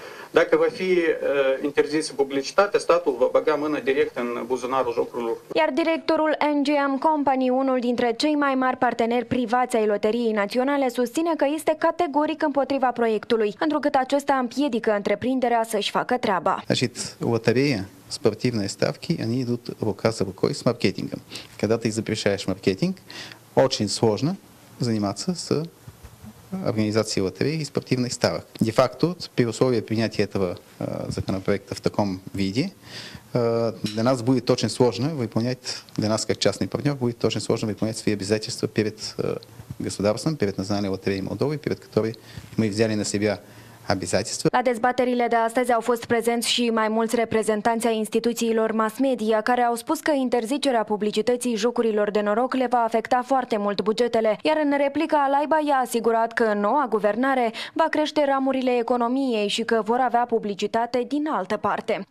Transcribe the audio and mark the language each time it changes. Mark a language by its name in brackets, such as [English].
[Romanian] Dacă va fi interzisă publicitatea, statul va băga mâna direct în buzunarul jocurilor. Iar directorul NGM Company, unul dintre cei mai mari parteneri privați ai Loteriei Naționale, susține că este categoric împotriva proiectului, întrucât acesta împiedică întreprinderea să-și facă treaba. [Russian] Значит, лотерея спортивной ставки, они идут рука за рукой с маркетингом. Когда ты запрещаешь маркетинг, очень сложно заниматься с организации лотереи и спортивных ставок. Де факто, при условии принятия этого законопроекта в таком виде, для нас будет очень сложно выполнять, для нас как частный партнер, будет очень сложно выполнять свои обязательства перед государством, перед Национальной лотереей Молдовы, перед которой мы взяли на себя обязательства. [Romanian] La dezbaterile de astăzi au fost prezenți și mai mulți reprezentanți ai instituțiilor mass-media, care au spus că interzicerea publicității jocurilor de noroc le va afecta foarte mult bugetele, iar în replica Alaiba i-a asigurat că noua guvernare va crește ramurile economiei și că vor avea publicitate din altă parte.